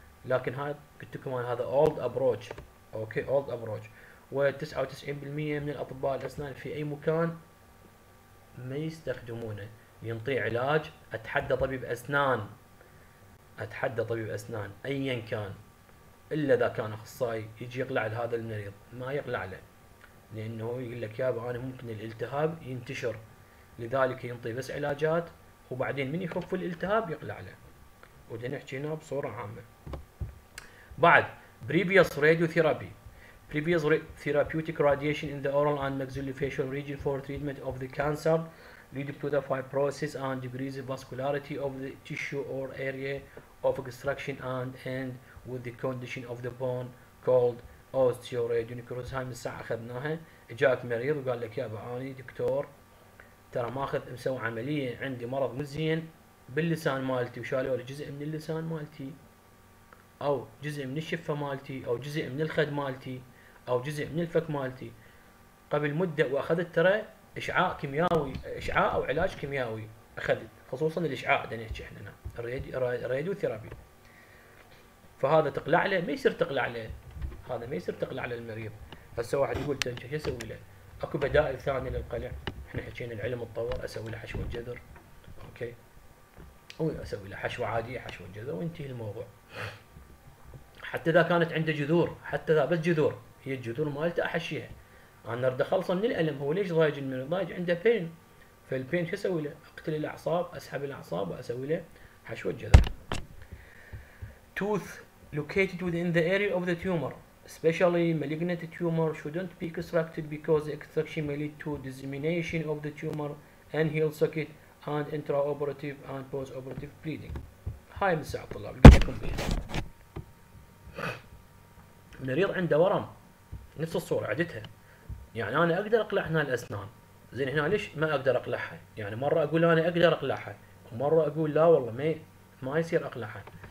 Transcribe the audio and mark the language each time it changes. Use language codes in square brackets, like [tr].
[ar] لكن هاي قلت لكم هذا اولد ابروتش، اوكي اولد ابروتش، و 99% من الاطباء الاسنان في اي مكان ما يستخدمونه، ينطيه علاج، اتحدى طبيب اسنان، اتحدى طبيب اسنان ايا كان، الا اذا كان اخصائي يجي يقلع لهذا المريض، ما يقلع له، لانه يقول لك يابا انا ممكن الالتهاب ينتشر، لذلك ينطي بس علاجات، وبعدين من يخف الالتهاب يقلع له. ودي نحكي هنا بصورة عامة. بعد [en] previous radiotherapy، previous therapeutic radiation in the oral and maxillofacial region for treatment of the cancer lead to the fibrosis and decrease the vascularity of the tissue or area of extraction and end with the condition of the bone called osteoradionecrosis. [ar] هاي من الساعة أخذناها، جاءك مريض وقال لك يا بعاني دكتور ترى ماخذ مسوي عملية، عندي مرض مزين باللسان مالتي وشالوا لي جزء من اللسان مالتي او جزء من الشفه مالتي او جزء من الخد مالتي او جزء من الفك مالتي قبل مده، واخذت ترى اشعاع كيميائي، اشعاع او علاج كيميائي اخذت، خصوصا الاشعاع اللي نحكي احنا الراديو ثيرابي، فهذا تقلع له، ما يصير تقلع له، هذا ما يصير تقلع له المريض. هسه واحد يقول ايش اسوي له؟ اكو بدائل ثانيه للقلع، احنا حكينا العلم تطور، اسوي له حشو الجذر، اوكي، او اسوي له حشوه عاديه، حشوه جذر، وينتهي الموضوع. حتى اذا كانت عنده جذور، حتى اذا بس جذور، هي الجذور مالته احشيها، انا اريد اخلصه من الالم. هو ليش ضايج من ضايج؟ عنده بين، فالبين شو اسوي له؟ اقتل الاعصاب، اسحب الاعصاب واسوي له حشوه جذر. [en] Tooth located within the area of the tumor, especially malignant tumor, shouldn't be extracted because extraction may lead to dissemination of the tumor and heal socket and intraoperative and postoperative bleeding. [ar] هاي من ساعة الطلاب لقيتكم فيها. المريض عنده ورم نفس الصورة عدتها، يعني أنا أقدر أقلع هنا الأسنان زين، هنا ليش ما أقدر أقلعها؟ يعني مرة أقول أنا أقدر أقلعها ومرة أقول لا والله ما يصير أقلعها.